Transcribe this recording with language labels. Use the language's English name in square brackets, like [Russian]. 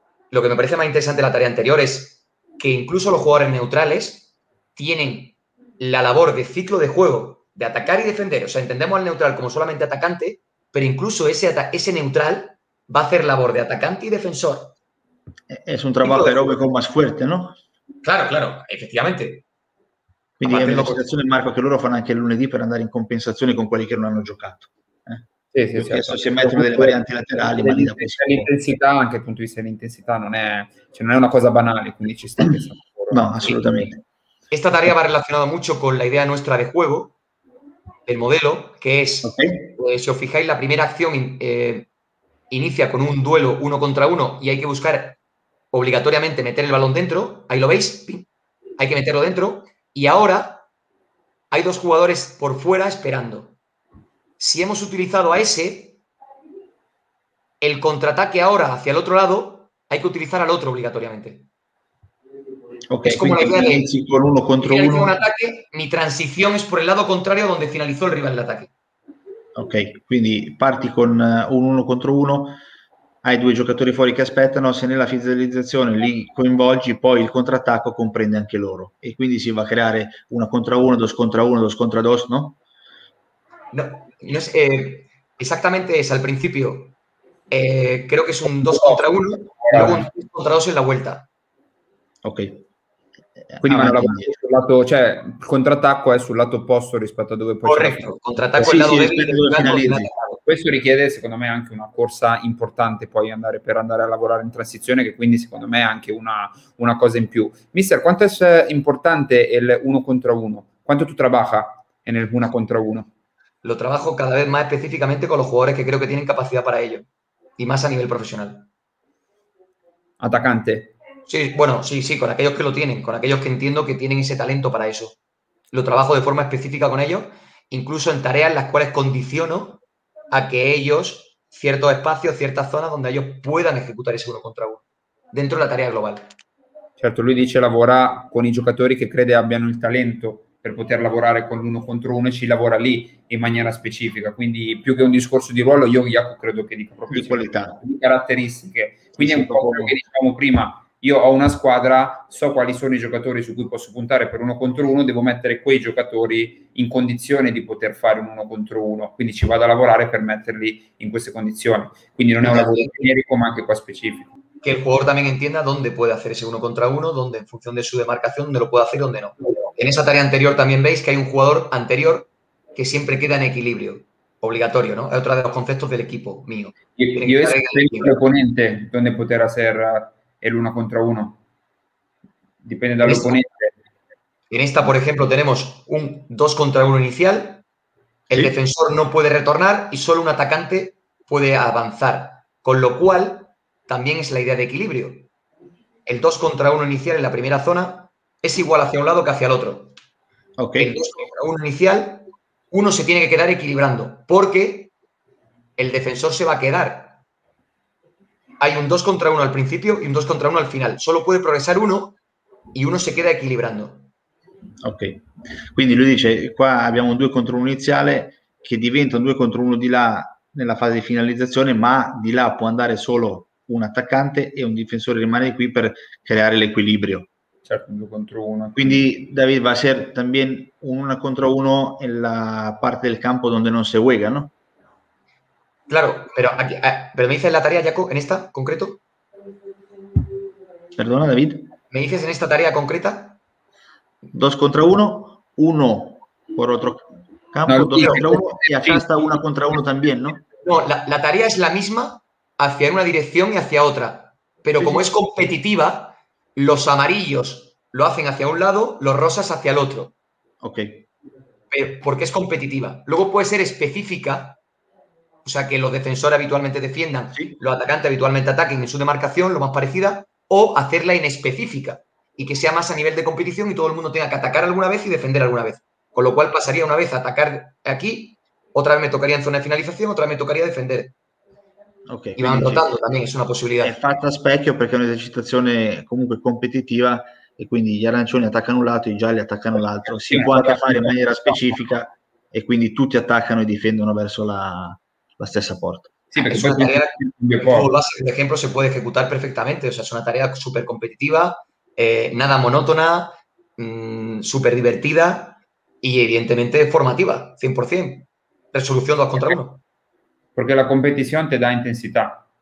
[Spanish] Lo que me parece más interesante la tarea anterior es que incluso los jugadores neutrales tienen la labor de ciclo de juego, de atacar y defender. O sea, entendemos al neutral como solamente atacante, pero incluso ese neutral va a hacer labor de atacante y defensor. Es un trabajo aeróbico más fuerte, ¿no? Claro, claro, efectivamente. [Italian] Quindi è una situazione, Marco, che loro fanno anche il lunedì per andare in compensazione con quelli che non hanno giocato. Sì, si mettono delle varianti laterali. Ma l'intensità, anche dal punto di vista dell'intensità, non è una cosa banale, quindi ci sta pensando. No, assolutamente. Questa tarea va relazionata molto con la idea nostra di juego, del modello, che è, [Spanish] se os fijáis, [Italian] la prima azione inizia con un duelo uno contro uno e [Spanish] hay que buscar obligatoriamente meter el balón dentro. Ahí lo veis, hay que meterlo dentro. Y ahora hay dos jugadores por fuera esperando. Si hemos utilizado a ese, el contraataque ahora hacia el otro lado, hay que utilizar al otro obligatoriamente. Okay, es como la idea de con uno contra uno. Un ataque, mi transición es por el lado contrario donde finalizó el rival el ataque. [Italian] Ok, quindi parti con un uno contro uno. Hai due giocatori fuori che aspettano, se nella finalizzazione li coinvolgi, poi il contrattacco comprende anche loro. E quindi si va a creare una contro uno, dos contro uno, dos contro dos, no? No, esattamente [Spanish] es al principio. Creo que es un dos contro uno, luego un tres contro dos en la vuelta. Ok. [Italian] Quindi il contrattacco è sul lato opposto rispetto a dove poi corretto, il contrattacco è il lato finalizzi. Questo richiede, secondo me, anche una corsa importante poi andare a lavorare in transizione, che quindi, secondo me, è anche una cosa in più. Mister, quanto è importante il uno contro uno? Quanto tu lavora nel uno contro uno? [Spanish] Lo trabajo cada vez más específicamente con los jugadores que creo que tienen capacidad para ello, y más a nivel profesional. Atacante. Sí, bueno, sí, con aquellos que lo tienen, con aquellos que entiendo que tienen ese talento para eso. Lo trabajo de forma específica con ellos, incluso en tareas las cuales condiciono a que ellos, ciertos espacios, ciertas zonas donde ellos puedan ejecutar ese uno contra uno, dentro de la tarea global. [Italian] Certo, lui dice lavora con i giocatori che crede abbiano il talento per poter lavorare con l'uno contro uno e ci lavora lì in maniera specifica. Quindi più che un discorso di ruolo, io Jaco credo che dica proprio di qualità, di caratteristiche. Quindi è un po' quello che dicevamo prima. Io ho una squadra, so quali sono i giocatori su cui posso puntare per uno contro uno, devo mettere quei giocatori in condizione di poter fare un uno contro uno. Quindi ci vado a lavorare per metterli in queste condizioni. Quindi non è un lavoro generico, ma anche qua specifico. [Spanish] Che il jugador también entienda dónde puede hacer ese [Italian] uno contro uno, [Spanish] dónde, en función de su demarcación, dónde lo puede hacer, dónde no. En esa tarea anterior también veis que hay un jugador anterior que siempre queda en equilibrio. Obligatorio, ¿no? Es otro de los conceptos del equipo mío. Yo es el oponente donde poder hacer... El uno contra uno. Depende del oponente. En esta, por ejemplo, tenemos un dos contra uno inicial. El defensor no puede retornar y solo un atacante puede avanzar. Con lo cual, también es la idea de equilibrio. El dos contra uno inicial en la primera zona es igual hacia un lado que hacia el otro. Okay. El dos contra uno inicial, uno se tiene que quedar equilibrando porque el defensor se va a quedar. Hay un 2 contra 1 al principio y un 2 contra 1 al final. Solo puede progresar uno y uno se queda equilibrando. [Italian] Ok, quindi lui dice qua abbiamo un 2 contro 1 iniziale che diventa un 2 contro 1 di là nella fase di finalizzazione, ma di là può andare solo un attaccante e un difensore rimane qui per creare l'equilibrio. Certo, un 2 contro 1. Quindi David va a essere anche un 1 contro 1 nella parte del campo dove non si juega, no? [Spanish] Claro, pero me dices la tarea, Jaco, en esta concreto. Perdona, David. ¿Me dices en esta tarea concreta? 2 contra 1, 1 por otro campo, no, 2 contra 1, y acá está 1 contra 1 también, ¿no? No, la tarea es la misma hacia una dirección y hacia otra, pero sí, como sí. Es competitiva, los amarillos lo hacen hacia un lado, los rosas hacia el otro. Ok. Pero, porque es competitiva. Luego puede ser específica. O sea, que los defensores habitualmente defiendan, sí. Los atacantes habitualmente ataquen en su demarcación, lo más parecida, o hacerla inespecífica y que sea más a nivel de competición y todo el mundo tenga que atacar alguna vez y defender alguna vez. Con lo cual pasaría una vez a atacar aquí, otra vez me tocaría en zona de finalización, otra vez me tocaría defender. Okay, y van rotando, sí. También, es una posibilidad. [Italian] Es fatta a specchio [Spanish] porque es [Italian] una esercitazione comunque competitiva y quindi gli arancioni attaccano un lato, i gialli attaccano l'altro. Si può anche fare in maniera specifica e quindi tutti attaccano e difendono verso la stessa porta. [Spanish] Sí, es una tarea que, por ejemplo, se puede ejecutar perfectamente. O sea, es una tarea súper competitiva, nada monótona, súper divertida y, evidentemente, formativa, 100%. Resolución 2 contra 1. Porque la competición te da intensidad.